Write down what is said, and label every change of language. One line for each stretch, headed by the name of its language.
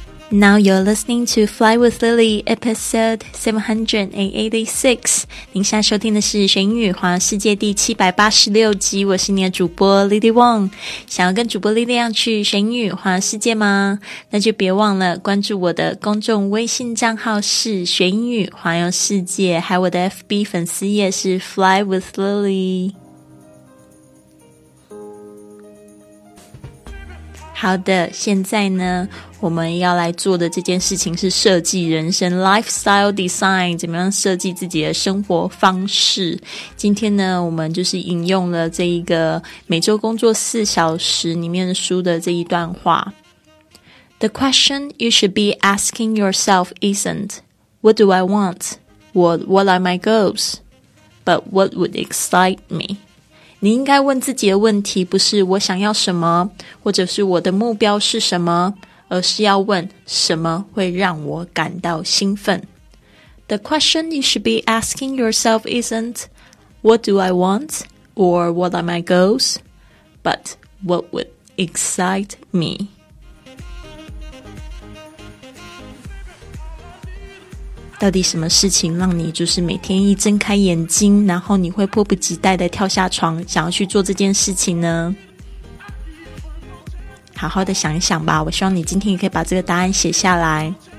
English: Now you're listening to Fly with Lily, episode 786.
Chinese: 您现在收听的是学英语环游世界第786集，我是你的主播 Lily Wong。想要跟主播 Lily 去学英语环游世界吗？那就别忘了关注我的公众微信账号是学英语环游世界，还有我的 FB 粉丝页是 Fly with Lily。好的，现在呢我们要来做的这件事情是设计人生 lifestyle design， 怎么样设计自己的生活方式。今天呢我们就是引用了这一个每周工作四小时里面的书的这一段话。
English: The question you should be asking yourself isn't What do I want? What are my goals? But what would excite me?
Chinese: 你应该问自己的问题不是我想要什么，或者是我的目标是什么，而是要问什么会让我感到兴奋。
English: The question you should be asking yourself isn't What do I want? Or what are my goals? But what would excite me?
Chinese: 到底什么事情让你就是每天一睁开眼睛，然后你会迫不及待地跳下床，想要去做这件事情呢？好好的想一想吧，我希望你今天也可以把这个答案写下来。